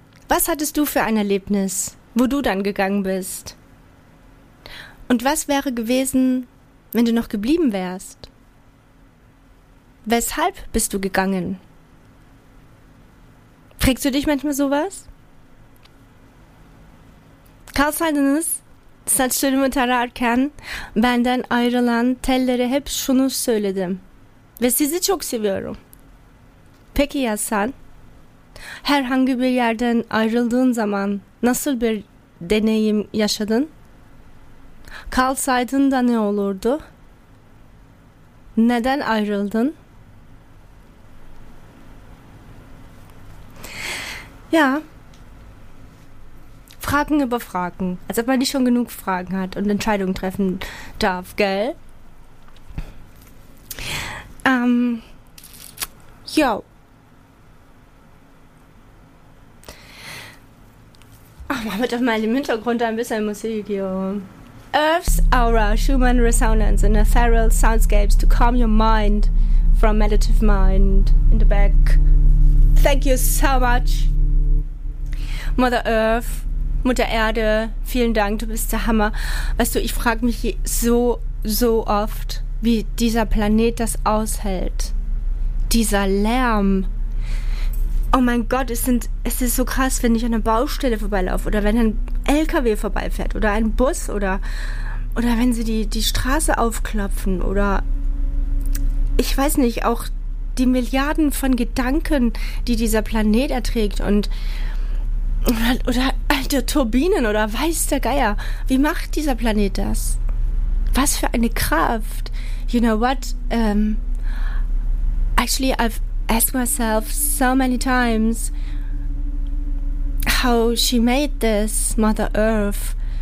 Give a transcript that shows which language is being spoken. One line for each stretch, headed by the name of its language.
German: Was hattest du für ein Erlebnis, wo du dann gegangen bist? Und was wäre gewesen, wenn du noch geblieben wärst? Weshalb bist du gegangen? Fragst du dich manchmal sowas?
Turkish: Kalsaydınız, saçlarımı tararken benden ayrılan tellere hep şunu söyledim. Ve sizi çok seviyorum. Peki ya sen? Herhangi bir yerden ayrıldığın zaman nasıl bir deneyim yaşadın? Kalsaydın da ne olurdu? Neden ayrıldın?
German: Ja. Fragen über Fragen. Als ob man nicht schon genug Fragen hat und Entscheidungen treffen darf, gell? Jo. Ach, mach mal doch mal im Hintergrund ein bisschen Musik, jo.
English: Earth's Aura, Schumann Resonance in Ethereal Soundscapes to calm your mind from meditative mind in the back. Thank you so much, Mother Earth.
German: Mutter Erde, vielen Dank, du bist der Hammer. Weißt du, ich frage mich so, so oft, wie dieser Planet das aushält. Dieser Lärm. Oh mein Gott, es ist so krass, wenn ich an einer Baustelle vorbeilaufe oder wenn ein LKW vorbeifährt oder ein Bus oder wenn sie die Straße aufklopfen oder ich weiß nicht, auch die Milliarden von Gedanken, die dieser Planet erträgt und oder alte Turbinen oder weiß der Geier. Wie macht dieser Planet das? Was für eine Kraft. You know what?
English: Actually, I've asked myself so many times how she made this, Mother Earth.